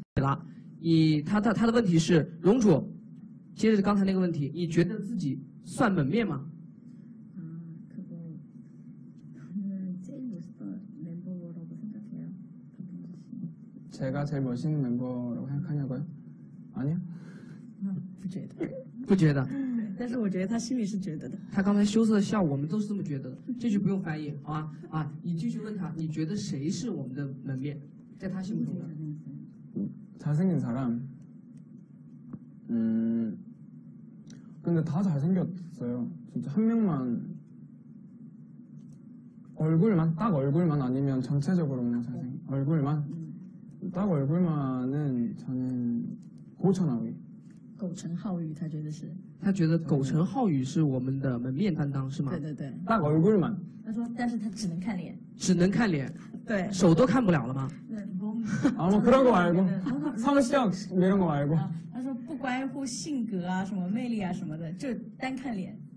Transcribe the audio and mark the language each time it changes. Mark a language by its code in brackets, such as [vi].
[zh] 了，以他的问题是，荣主，接着刚才那个问题，你觉得自己？算门面吗？ [ko] 아그거제일멋있던멤버라고생각해요 제가제일멋있는멤버라고생각하냐고요아니요 [zh] 不觉得不觉得但是我觉得他心里是觉得的他刚才羞涩的笑我们都是这么觉得的这句不用翻译好吧啊你继续问他你觉得谁是我们的门面在他心目中 [ko] 잘생긴사람근데다잘생겼어요진짜한명만얼굴만딱얼굴만아니면전체적으로는잘생얼굴만딱얼굴만은저는고천하위 [zh] 고천하위他觉得是他觉得고천하위是我们的门面担当是吗对对对 [ko] 딱얼굴만 [zh] 他说但是他只能看脸只能看脸对手都看不了了吗对 [ko] 아뭐그런거말고성격이런거말고 [zh] 他说不关乎性格啊什么魅力啊什么的就单看脸